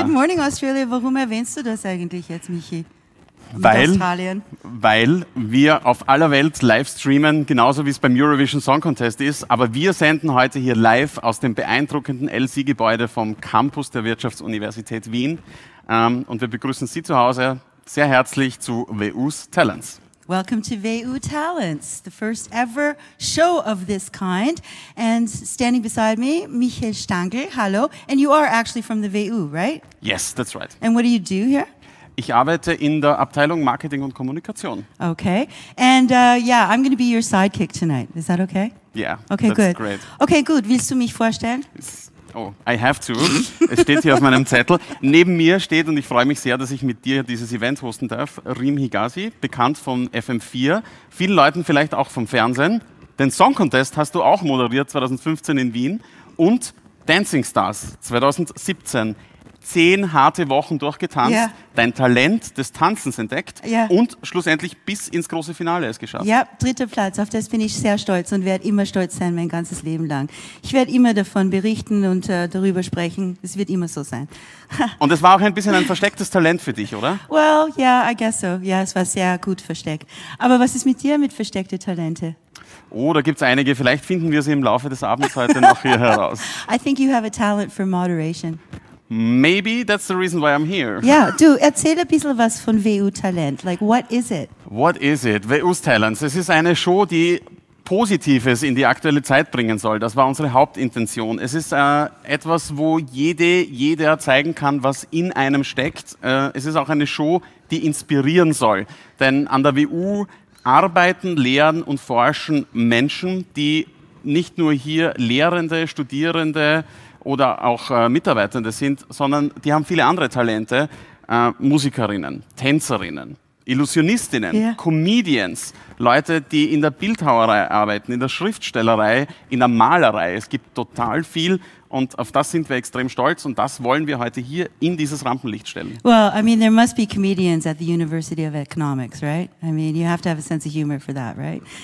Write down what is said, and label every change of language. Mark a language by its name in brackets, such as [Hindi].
[English] Good morning, Australia. [German] Warum erwähnst du das eigentlich jetzt, Michi? Weil wir auf aller Welt live streamen, genauso wie es beim Eurovision Song Contest ist. Aber wir senden heute hier live aus dem beeindruckenden LC-Gebäude vom Campus der Wirtschaftsuniversität Wien. Und wir begrüßen Sie zu Hause. Sehr herzlich zu WU's Talents. [English] Welcome to WU Talents, the first ever show of this kind. And standing beside me, Michael Stangl, hallo. And you are actually from the WU, right? Yes, that's right. And what do you do here? [German] Ich arbeite in der Abteilung Marketing und Kommunikation. [English] Okay. And I'm going to be your sidekick tonight. Is that okay? Yeah, okay, that's Great. Okay, good. [German] Willst du mich vorstellen? [English] Oh, I have to. [German] Es steht hier auf meinem Zettel. Neben mir steht, und ich freue mich sehr, dass ich mit dir dieses Event hosten darf, Rim Higazi, bekannt von FM4, vielen Leuten vielleicht auch vom Fernsehen. Den Song Contest hast du auch moderiert 2015 in Wien und Dancing Stars 2017. 10 harte Wochen durchgetanzt, yeah. Dein Talent des Tanzens entdeckt, yeah. Und schlussendlich bis ins große Finale es geschafft. Ja, dritter Platz, auf das bin ich sehr stolz und werde immer stolz sein mein ganzes Leben lang. Ich werde immer davon berichten und darüber sprechen, es wird immer so sein. Und es war auch ein bisschen ein verstecktes Talent für dich, oder? [English] Well, yeah, I guess so. [German] Ja, es war sehr gut versteckt. Aber was ist mit dir mit versteckten Talente? Oh, da gibt es einige, vielleicht finden wir sie im Laufe des Abends heute noch hier heraus. [English] I think you have a talent for moderation. Maybe that's the reason why I'm here. [German] Yeah, du, erzähl ein bisschen was von WU Talent. [English] Like, what is it? What is it? WU's Talents. [German] Es ist eine Show, die Positives in die aktuelle Zeit bringen soll. Das war unsere Hauptintention. Es ist etwas, wo jeder zeigen kann, was in einem steckt. Es ist auch eine Show, die inspirieren soll. Denn an der WU arbeiten, lehren und forschen Menschen, die nicht nur hier Lehrende, Studierende oder auch Mitarbeitende sind, sondern die haben viele andere Talente, Musikerinnen, Tänzerinnen, Illusionistinnen, yeah. Comedians, Leute, die in der Bildhauerei arbeiten, in der Schriftstellerei, in der Malerei. Es gibt total viel und auf das sind wir extrem stolz und das wollen wir heute hier in dieses Rampenlicht stellen. [English] Well, I mean, there must be comedians at the University of Economics, right? I mean, you have to have a sense of humor for that, right?